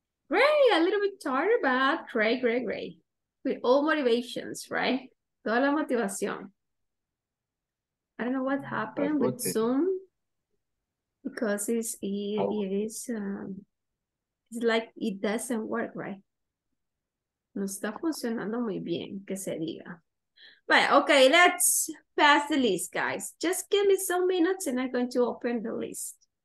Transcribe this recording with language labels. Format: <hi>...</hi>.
<en>Great, a little bit tired, but great, great, great. With all motivations, right?</en> <es>Toda la motivación.</es> <en>I don't know what happened with Zoom because it's like it doesn't work, right?</en> <es>No está funcionando muy bien, que se diga.</es> <en>But okay, let's pass the list, guys. Just give me some minutes and I'm going to open the list.</en>